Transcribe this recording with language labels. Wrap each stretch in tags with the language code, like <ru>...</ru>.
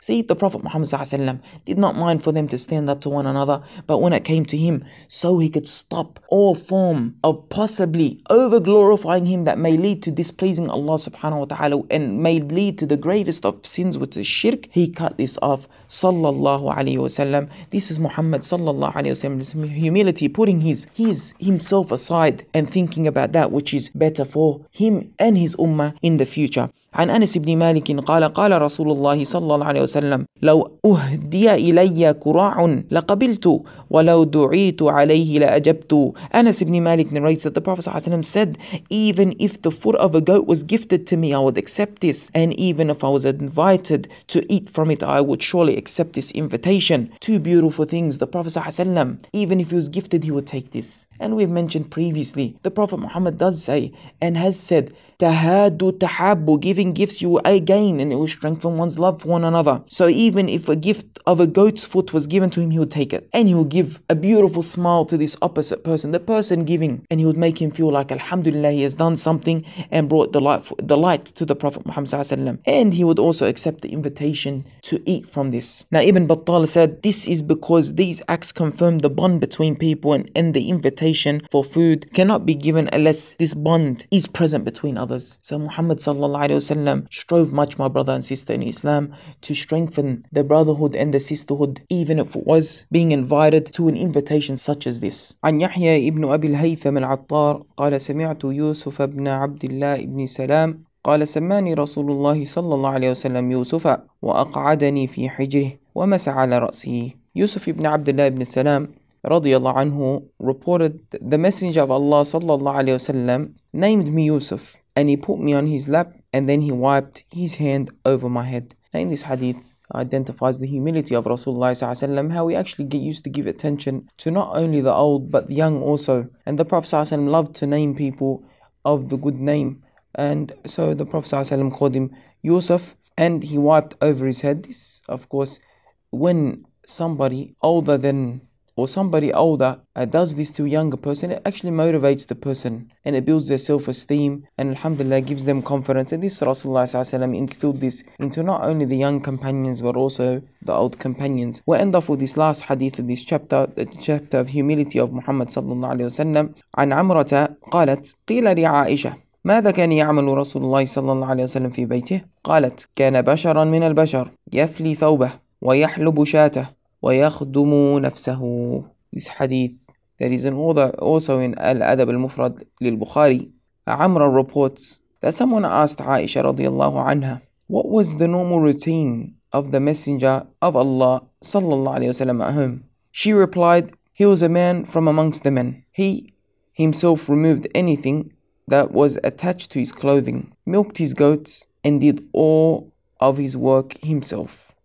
<en>See, the Prophet Muhammad sallallahu alaihi wasallam did not mind for them to stand up to one another, but when it came to him, so he could stop all form of possibly overglorifying him that may lead to displeasing Allah subhanahu wa ta'ala and may lead to the gravest of sins, which is shirk, he cut this off. Sallallahu alayhi wa sallam. This is Muhammad sallallahu alayhi wa sallam, humility, putting his himself aside and thinking about that which is better for him and his ummah in the future.</en> <ar>عن أنس بن مالك قال قال رسول الله صلى الله عليه وسلم لو أهدي إلي كراع لقبلت ولو دعيت عليه لأجبت.</ar> <en>أنس بن مالك narrates that the Prophet</en> <ar>صلى الله عليه وسلم</ar> <en>said, even if the foot of a goat was gifted to me, I would accept this, and even if I was invited to eat from it, I would surely accept this invitation. Two beautiful things. The Prophet</en> <ar>صلى الله عليه وسلم,</ar> <en>even if he was gifted, he would take this. And we've mentioned previously, the Prophet Muhammad does say and has said,</en> <ar>تَهَادُ تَحَابُ,</ar> <en>giving gifts you will gain, and it will strengthen one's love for one another. So even if a gift of a goat's foot was given to him, he would take it. And he would give a beautiful smile to this opposite person, the person giving, and he would make him feel like Alhamdulillah, he has done something and brought delight to the Prophet Muhammad sallallahu alaihi wasallam. And he would also accept the invitation to eat from this. Now Ibn Battal said, this is because these acts confirm the bond between people, and the invitation for food cannot be given unless this bond is present between others. So Muhammad sallallahu alayhi wa sallam strove much, my brother and sister in Islam, to strengthen the brotherhood and the sisterhood, even if it was being invited to an invitation such as this.</en> <ar>عن يحيى ابن أبي الهيثم العطار قال سمعت يوسف ابن عبد الله ابن سلام قال سماني رسول الله صلى الله عليه وسلم يوسف وأقعدني في حجره ومسع على رأسه.</ar> <en>يوسف ابن عبد الله ابن سلام</en> <ar>رضي الله عنه</ar> <en>reported the messenger of Allah</en> <ar>صلى الله عليه وسلم</ar> <en>named me Yusuf, and he put me on his lap, and then he wiped his hand over my head. Now in this hadith identifies the humility of Rasulullah sallallahu alayhi wa sallam, how he actually used to give attention to not only the old but the young also. And the Prophet sallallahu alayhi wa sallam loved to name people of the good name, and so the Prophet sallallahu alayhi wa sallam called him Yusuf. And he wiped over his head. This, of course, when somebody older than or somebody older does this to a younger person, it actually motivates the person and it builds their self-esteem and alhamdulillah gives them confidence. And this Rasulullah ﷺ instilled this into not only the young companions but also the old companions. We'll end off with this last hadith of this chapter, the chapter of humility of Muhammad sallallahu alayhi wa sallam.</en> <ar>عن عمرة قالت قيل لعائشة ماذا كان يعمل رسول الله صلى الله عليه وسلم في بيته؟ قالت كان بشرا من البشر يفلي ثوبه ويحلب شاته ويخدم نفسه.</ar> <en>This hadith, there is an order also in Al-Adab Al-Mufrad للبخاري. Amra reports that someone asked Aisha radiallahu anha, what was the normal routine of the messenger of Allah sallallahu alayhi wa sallam at home? She replied, he was a man from amongst the men. He himself removed anything that was attached to his clothing, milked his goats, and did all of his work himself.</en>